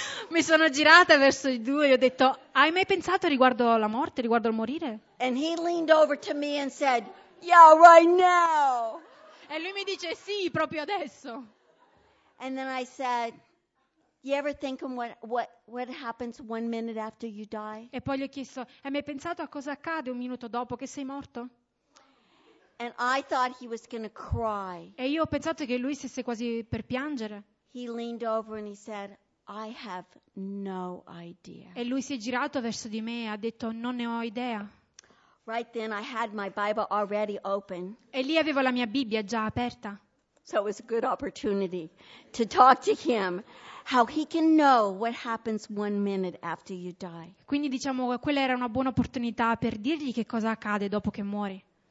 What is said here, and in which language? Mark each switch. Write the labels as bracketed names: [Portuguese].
[Italian] Mi sono girata verso i due e ho detto, hai mai pensato riguardo alla morte, riguardo al morire? [English] And he leaned over to me and said, yeah, right now. [Italian] E lui mi dice, sì, proprio adesso. [English] And then I said, you ever think of what happens one minute after you die? [Italian] E poi gli ho chiesto, hai mai pensato a cosa accade un minuto dopo che sei morto? [English] And I thought he was gonna cry. [Italian] E io ho pensato che lui stesse quasi per piangere. [English] He leaned over and he said, I have no idea. [Italian] E lui si è girato verso di me e ha detto non ne ho idea. [English] Right then I had my Bible already open. [Italian] E lì avevo la mia Bibbia già aperta. [English] So it was a good opportunity to talk to him how he can know what happens one minute after you die. [Italian] Quindi diciamo quella era una buona opportunità per dirgli che cosa accade dopo che muori.